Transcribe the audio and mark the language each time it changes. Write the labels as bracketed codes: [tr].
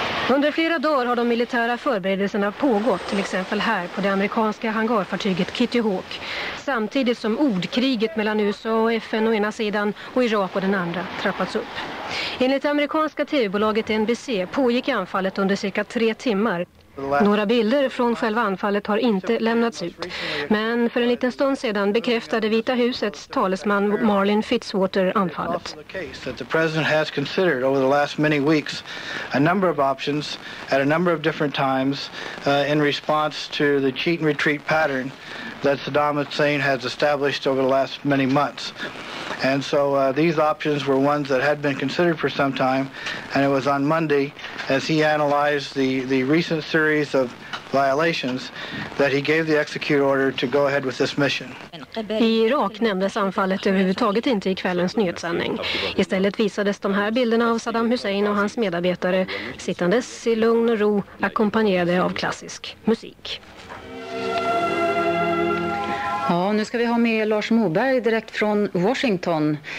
[sv] Under flera dagar har de militära förberedelserna pågått, till exempel här på det amerikanska hangarfartyget Kitty Hawk, samtidigt som ordkriget mellan USA och FN å ena sidan och Irak å den andra trappats upp. Enligt det amerikanska tv-bolaget NBC pågick anfallet under cirka 3 timmar. Några bilder från själva anfallet har inte lämnats ut, men för en liten stund sedan bekräftade Vita husets talesman Marlin Fitzwater anfallet. [en] That the president has considered over the last many weeks a number of options at a number of different times in response to the cheat and retreat pattern that Saddam Hussein has established over the last many months. And so these options were ones that had been considered for some time, and it was on Monday, as he analyzed the recent series of violations, that he gave the execute order to go ahead with this mission. [sv] I Irak nämndes anfallet överhuvudtaget inte i kvällens nyhetssändning. Istället visades de här bilderna av Saddam Hussein och hans medarbetare sittandes i lugn och ro, ackompanjerade av klassisk musik. Ja, nu ska vi ha med Lars Moberg direkt från Washington.